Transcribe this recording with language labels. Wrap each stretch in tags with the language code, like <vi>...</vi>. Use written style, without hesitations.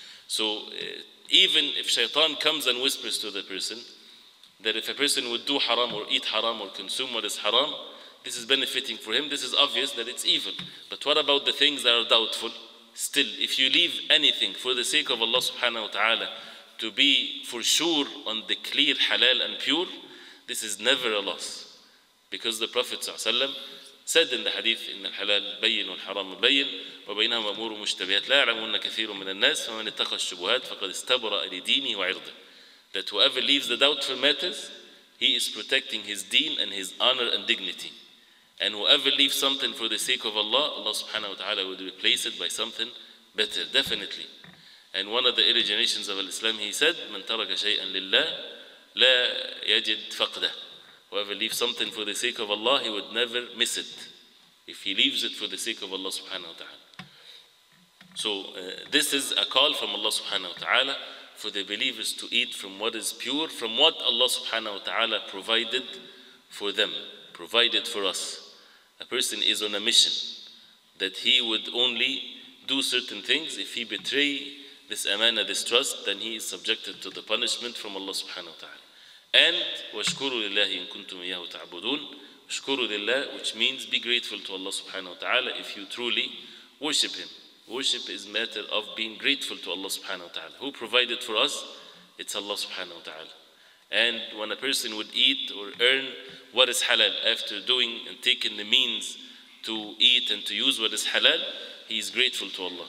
<en>So even if shaitan comes and whispers to the person that if a person would do haram or eat haram or consume what is haram, this is benefiting for him. This is obvious that it's evil. But what about the things that are doubtful? Still, if you leave anything for the sake of Allah subhanahu wa ta'ala to be for sure on the clear halal and pure, this is never a loss. Because the Prophet</en> <ar>سد الحديث إن الحلال بين والحرام بين وبينهما أمور مشتبهات لا يعلمون كثير من الناس، فمن اتقى الشبهات فقد استبرأ لدينه وعرضه.</ar> <en>That whoever leaves the doubt for matters, he is protecting his deen and his honor and dignity. And whoever leaves something for the sake of Allah, Allah subhanahu wa ta'ala would replace it by something better, definitely. And one of the originations of Islam, he said,</en> <ar>من ترك شيئا لله لا يجد فقده.</ar> <en>Whoever leaves something for the sake of Allah, he would never miss it. If he leaves it for the sake of Allah subhanahu wa ta'ala. So this is a call from Allah subhanahu wa ta'ala for the believers to eat from what is pure, from what Allah subhanahu wa ta'ala provided for them, provided for us. A person is on a mission that he would only do certain things. If he betray this amana, this trust, then he is subjected to the punishment from Allah subhanahu wa ta'ala.</en> <ar>And وَشْكُرُوا لِلَّهِ إِن كُنْتُمْ إِيَّهُ تَعْبُدُونَ. شكروا لله,</ar> <en>which means be grateful to Allah subhanahu wa ta'ala if you truly worship Him. Worship is a matter of being grateful to Allah subhanahu wa ta'ala. Who provided for us? It's Allah subhanahu wa ta'ala. And when a person would eat or earn what is halal after doing and taking the means to eat and to use what is halal, he is grateful to Allah.</en>